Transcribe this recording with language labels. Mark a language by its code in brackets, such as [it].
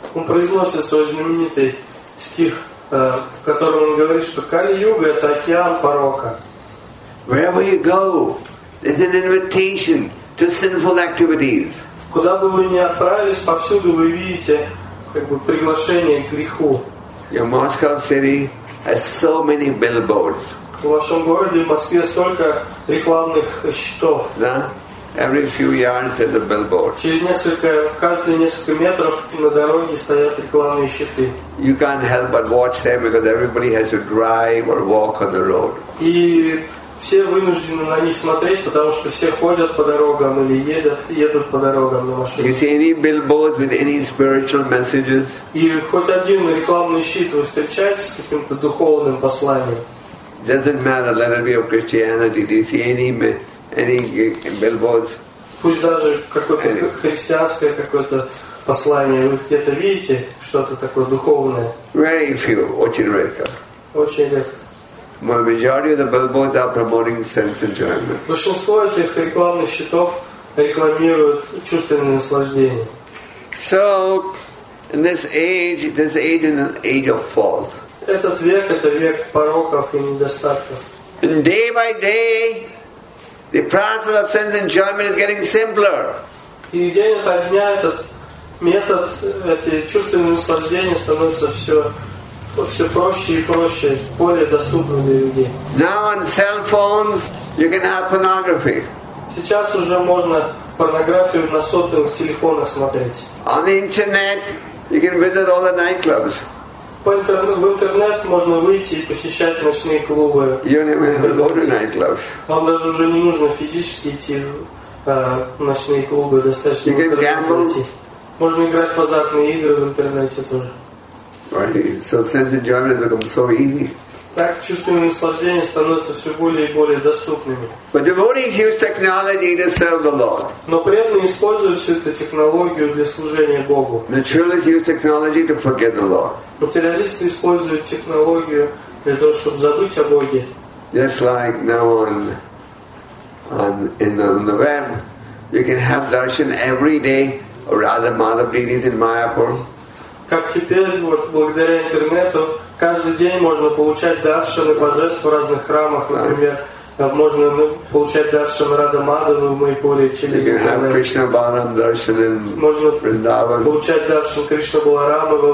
[ru] Он произносит свой знаменитый стих, в котором он говорит, что Kali Yuga это океан порока. [en] Wherever you go, it's an invitation to sinful activities. [ru] Куда бы вы ни отправились, повсюду вы видите как бы приглашение к греху. [en] Your Moscow city has so many billboards. [ru] В вашем городе, в Москве, столько рекламных щитов. Да? [en] Every few yards there's a billboard. [ru] Через несколько, каждые несколько метров на дороге стоят рекламные щиты. [en] You can't help but watch them because everybody has to drive or walk on the road. [ru] И все вынуждены на них смотреть, потому что все ходят по дорогам или едут по дорогам на машине. [en] You see any billboard with any spiritual messages? [ru] И хоть один рекламный щит вы встречаете с каким-то духовным посланием? [en] Doesn't matter, let it be of Christianity. Do you see any billboards? [ru] Пусть даже какое-то христианское какое-то послание, вы где-то видите что-то такое духовное? [en] Very few, [ru] очень редко. Очень редко. [en] Well, majority of the billboards are promoting sense enjoyment. [ru] Большинство этих рекламных щитов рекламируют чувственное наслаждение. [en] So, in this age is an age of faults. [ru] Этот век — это век пороков и недостатков. [en] And day by day, the process of sense enjoyment is getting simpler. [ru] И день ото дня этот метод, эти чувственные наслаждения становятся все проще и проще, более доступно для людей. [en] Now on cell phones you can have pornography. [ru] Сейчас уже можно порнографию на сотовых телефонах смотреть. [en] On the internet you can visit all the nightclubs. [ru] В интернет можно выйти и посещать ночные клубы. [en] You don't even have to go to nightclubs. [ru] Вам даже уже не нужно физически идти в ночные клубы, достаточно [en] you can gamble. [ru] Можно играть в азартные игры в интернете тоже. [en] Right. So sense enjoyment has become so easy. [ru] Так чувственные наслаждения становятся все более и более доступными. [en] But devotees use technology to serve the Lord. [ru] Но преданные используют всю эту технологию для служения Богу. [en] Materialists use technology to forget the Lord. [ru] Материалисты используют технологию для того, чтобы забыть о Боге. [en] Just like now on the web, you can have darshan every day, or rather, Madhavdeen is in Mayapur. [ru] Как теперь, вот благодаря интернету, каждый день можно получать даршаны божеств в разных храмах, например, можно получать даршаны Радха Мадхава в Майпуре через интернет. Можно получать даршан Кришна Баларама во